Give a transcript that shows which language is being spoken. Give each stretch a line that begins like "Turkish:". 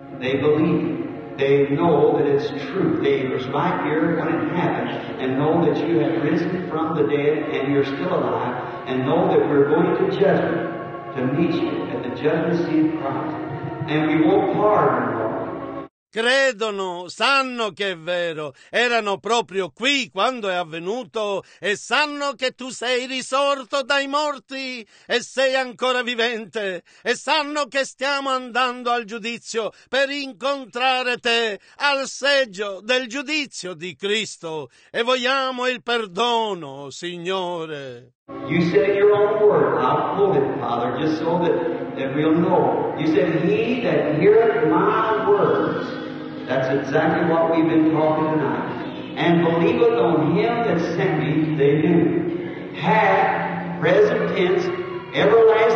English: They believe. They know that it's true. They were right here when it happened, and know that you have risen from the dead and you're still alive, and know that we're going to judgment to meet you at the judgment seat of Christ. And we won't pardon.
Italian: Credono, sanno che è vero, erano proprio qui quando è avvenuto e sanno che tu sei risorto dai morti e sei ancora vivente e sanno che stiamo andando al giudizio per incontrare te al seggio del giudizio di Cristo e vogliamo il perdono, Signore.
English: You said your own word. I'll quote it, Father, just so that we'll know. You said, he that heareth my words, that's exactly what we've been talking tonight, and believeth on him that sent me, they knew, hath present tense everlasting.